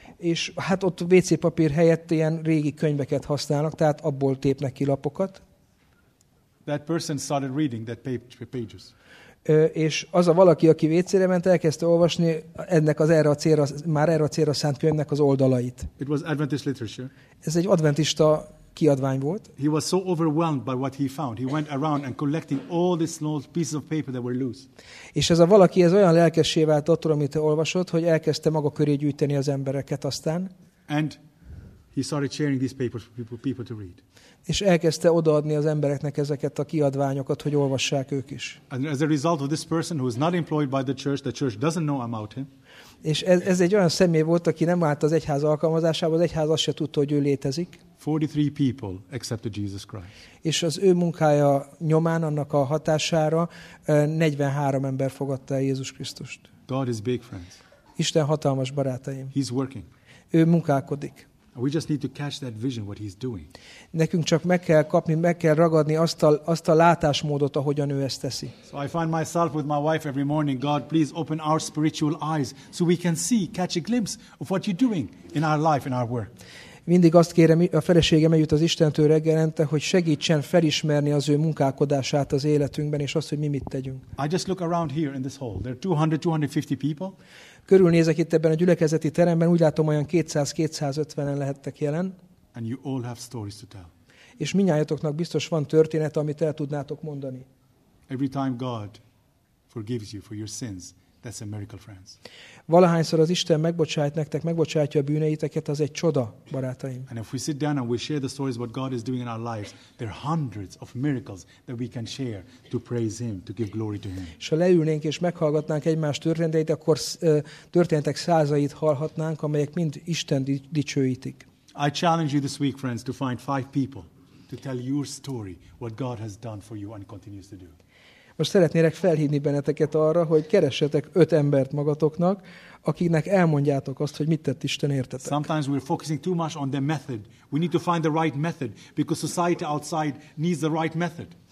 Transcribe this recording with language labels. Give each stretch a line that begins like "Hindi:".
Hungarian: És hát ott WC papír helyett ilyen régi könyveket használnak, tehát abból tépnek ki lapokat.
English: That person started reading that pages.
Hungarian: És az a valaki, aki WC-re ment, elkezdte olvasni ennek az erre a célra, már erre a célra szánt könyvnek az oldalait.
English: It was Adventist literature.
Hungarian: Ez egy adventista kiadvány volt.
English: He was so overwhelmed by what he found. He went around and collecting all these small pieces of paper that were loose.
Hungarian: És ez a valaki, ez olyan lelkessé vált attól, amit olvasott, hogy elkezdte maga köré gyűjteni az embereket aztán.
English: And he started sharing these papers for people to read.
Hungarian: És elkezdte odaadni az embereknek ezeket a kiadványokat, hogy olvassák ők is.
English: And as a result of this person who is not employed by the church doesn't know about him.
Hungarian: És ez egy olyan személy volt, aki nem állt az egyház alkalmazásába, az egyház azt se tudta, hogy ő létezik.
English: 43 people accepted Jesus Christ.
Hungarian: És az ő munkája nyomán, annak a hatására 43 ember fogadta Jézus Krisztust.
English: God is big, friends.
Hungarian: Isten hatalmas, barátaim.
English: He's working.
Hungarian: Ő munkálkodik.
English: We just need to catch that vision, what he's doing.
Hungarian: Nekünk csak meg kell kapni, meg kell ragadni azt a látásmódot, ahogyan ő ezt teszi.
English: So I find myself with my wife every morning. God, please open our spiritual eyes, so we can see, catch a glimpse of what you're doing in our life, in our work.
Hungarian: Mindig azt kérem a feleségem együtt az Istentől reggelente, hogy segítsen felismerni az ő munkálkodását az életünkben, és azt, hogy mi mit tegyünk.
English: I just look around here in this hall. There are 200-250 people.
Hungarian: Körülnézek itt ebben a gyülekezeti teremben, úgy látom, olyan 200-250-en lehettek jelen.
English: And you all have stories to tell.
Hungarian: És minnyájatoknak biztos van történet, amit el tudnátok mondani.
English: Every time God forgives you for your sins, that's a miracle, friends.
Hungarian: Valahányszor az Isten megbocsájt nektek, megbocsátja a bűneiteket, az egy csoda, barátaim.
English: And if we sit down and we share the stories of what God is doing in our lives, there are hundreds of miracles that we can share to praise Him, to give glory to Him.
Hungarian: És ha leülnénk és meghallgatnánk egymás történeteit, akkor történetek százait hallhatnánk, amelyek mind Isten dicsőítik.
English: I challenge you this week, friends, to find 5 people to tell your story, what God has done for you and continues to do.
Hungarian: Most szeretnélek felhívni benneteket arra, hogy keressetek 5 embert magatoknak, akiknek elmondjátok azt, hogy mit tett Isten értetek.
English: Sometimes we're focusing too much on the method. We need to find the right method, because society outside needs the right method.